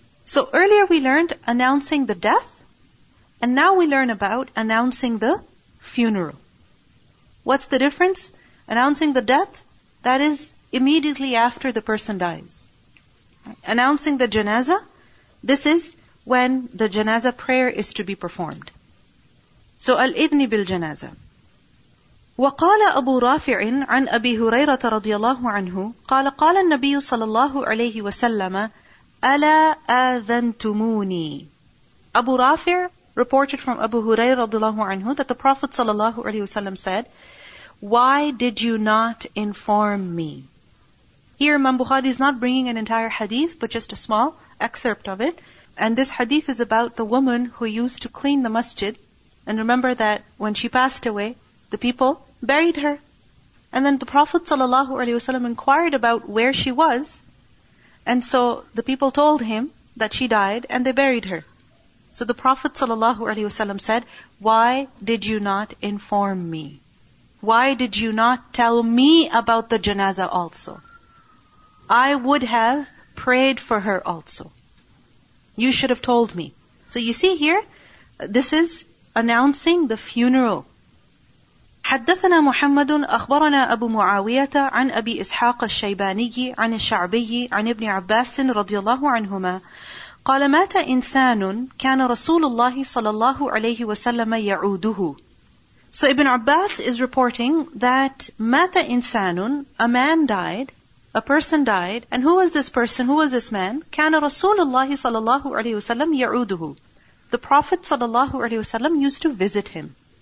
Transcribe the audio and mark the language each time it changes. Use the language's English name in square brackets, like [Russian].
[English] So earlier we learned announcing the death, and now we learn about announcing the funeral. What's the difference? Announcing the death, that is immediately after the person dies. Announcing the janazah, this is when the janazah prayer is to be performed. So [Arabic] al-idni bil janazah. وقال أبو رافع عن أبي هريرة رضي الله عنه قال قال النبي صلى الله عليه وسلم ألا آذنتموني. [English] Abu Rafi' reported from Abu Hurairah radiallahu anhu that the Prophet sallallahu alaihi wasallam said, "Why did you not inform me?" Here, Imam Bukhari is not bringing an entire hadith, but just a small excerpt of it. And this hadith is about the woman who used to clean the masjid. And remember that when she passed away, the people buried her. And then the Prophet sallallahu alaihi wasallam inquired about where she was. And so the people told him that she died and they buried her. So the Prophet ﷺ said, "Why did you not inform me? Why did you not tell me about the janazah also? I would have prayed for her also. You should have told me." So you see here, this is announcing the funeral. [Arabic] حدثنا محمد أخبرنا أبو معاوية عن أبي إسحاق الشيباني عن الشعبي عن ابن عباس رضي الله عنهما قال مات إنسان كان رسول الله صلى الله عليه وسلم يعوده. [English] So Ibn Abbas is reporting that [Arabic] مات إنسان, [English] a man died, a person died, and who was this person, who was this man? [Arabic] كان رسول الله صلى الله عليه وسلم يعوده. [English] The Prophet صلى الله عليه وسلم used to visit him.